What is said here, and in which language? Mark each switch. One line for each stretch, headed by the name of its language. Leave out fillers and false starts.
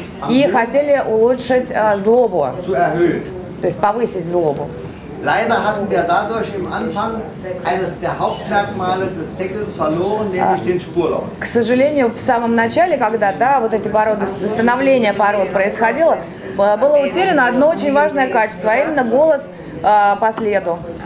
Russian: И хотели улучшить злобу. То есть повысить злобу.
German: Leider hatten wir dadurch im Anfang eines der Hauptmerkmale des Deckels verloren, nämlich den Spurlauf.
Russian: К сожалению, в самом начале, когда да, вот эти породы, становление пород происходило, было утеряно одно очень важное качество, а именно голос по следу.